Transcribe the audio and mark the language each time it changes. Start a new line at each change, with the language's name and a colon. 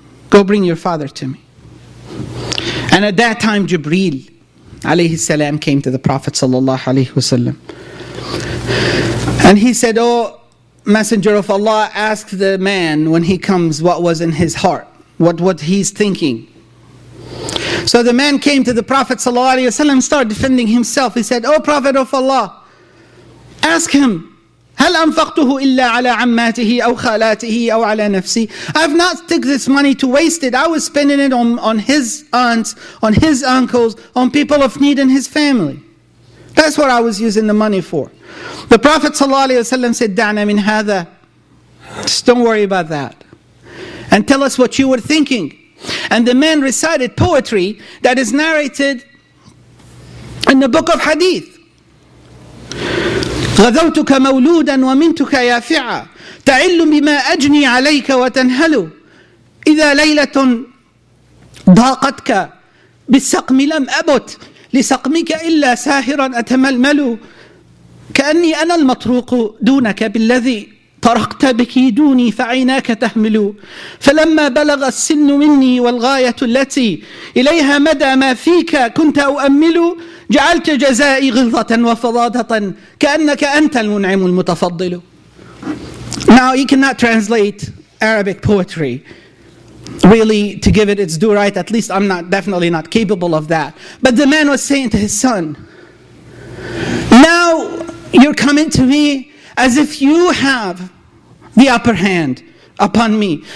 English: Go bring your father to me. And at that time, Jibreel alayhi salam came to the Prophet sallallahu alayhi wasallam, and he said, oh Messenger of Allah, ask the man when he comes what was in his heart, what he's thinking. So the man came to the Prophet sallallahu alayhi wasallam, started defending himself. He said, oh Prophet of Allah, ask him,
Arabic: هل أنفقته إلا على عماته أو خالاته أو على نفسي.
English: I've not took this money to waste it. I was spending it on his aunts, on his uncles, on people of need in his family. That's what I was using the money for. The Prophet ﷺ said,
Arabic: دعنا من هذا.
English: Just don't worry about that. And tell us what you were thinking. And the man recited poetry that is narrated in the book of Hadith.
Arabic: غذوتك مولودا ومنتك يافعا تعل بما أجني عليك وتنهل إذا ليلة ضاقتك بالسقم لم أبت لسقمك إلا ساهرا أتململ كأني أنا المطروق دونك بالذي طرقت بك دوني فعيناك تهمل فلما بلغ السن مني والغاية التي إليها مدى ما فيك كنت أؤمل جعلت جزائي غلظة وفضاضة كأنك أنت المنعم المتفضل.
English: Now you cannot translate Arabic poetry really to give it its due right. At least I'm not, definitely not capable of that. But the man was saying to his son, now you're coming to me as if you have the upper hand upon me.